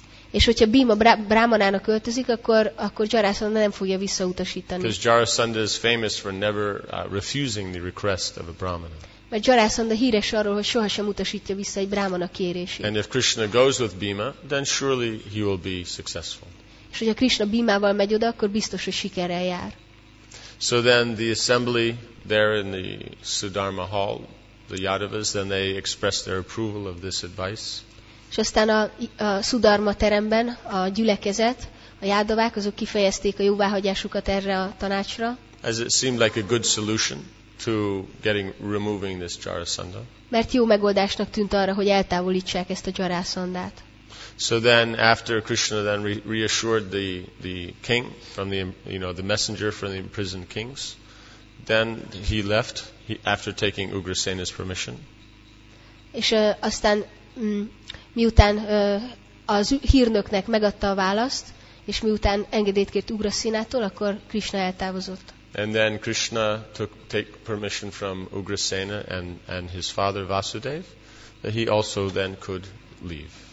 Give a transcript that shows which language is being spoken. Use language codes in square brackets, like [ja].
[hu] És hogyha Bhima brahmanának költözik, akkor Jarasandha nem fogja visszautasítani. [en] Because Jarasandha is famous for never refusing the request of a brahmana. [hu] Mert Jarasandha híres arról, hogy sohasem utasítja vissza egy brahmana kérését. [en] And if Krishna goes with Bhima, then surely he will be successful. [hu] És hogyha Krishna Bhimával megy oda, akkor biztos, hogy sikerrel jár. [en] So then the assembly there in the Sudharma Hall, the Yadavas, then they express their approval of this advice. [hu] És aztán a Sudharma teremben a gyülekezet, a Yadavák, azok kifejezték a jóváhagyásukat erre a tanácsra. [en] As it seemed like a good solution to getting removing this Jarasandha. [hu] Mert jó megoldásnak tűnt arra, hogy eltávolítsák ezt a Jarasandhát. [en] So then, after Krishna then reassured the king from the, you know, the messenger from the imprisoned kings, then he left after taking Ugrasena's permission. [hu] És aztán miután az hírnöknek megadta a választ, és miután engedélyt kért Ugrasenától, akkor Krishna eltávozott. [en] And then Krishna took permission from Ugrasena and his father Vasudev that he also then could leave.